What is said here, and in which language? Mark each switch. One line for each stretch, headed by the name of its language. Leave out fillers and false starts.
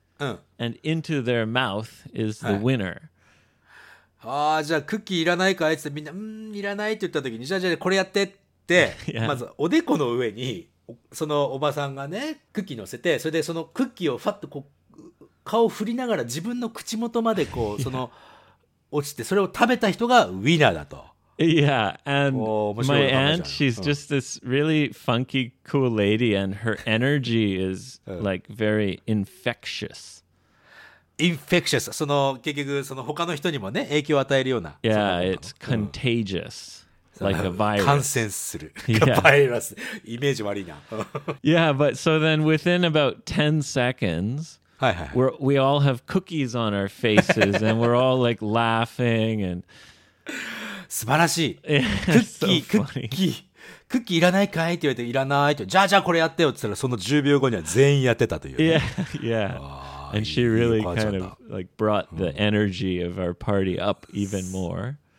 Japanese: うん、
English: and into their mouth is the winner.、はい、
Japanese: ああ、じゃあクッキーいらないかあいつ、みんな、いらないって言ったときに、じゃあこれやってって、まずおでこの上に、そのおばさんがね、クッキー乗せて、それでそのクッキーをファッとこう、顔を振りながら自分の口元までこう、その、落ちて、それを食べた人がウィナーだと。
English: Yeah, and my aunt, she's just this really funky, cool lady, and her energy is like very infectious. Infectious.
Japanese: その結局その他の人にもね影響を与えるような。
English: Yeah, it's contagious,、うん、like a virus.
Japanese: 感染する。バイラス。イメージ悪いな。
English: Yeah, but so then within about 10 seconds, we all have cookies on our faces and we're all like laughing and.
Japanese: 素晴らしい。クッキーいらないかいって言われていらないと、じゃあこれやってよって言ったらその10秒後には全員やってたという、ね。
English: Yeah, yeah. And she really kind of like brought the energy of our party up even more.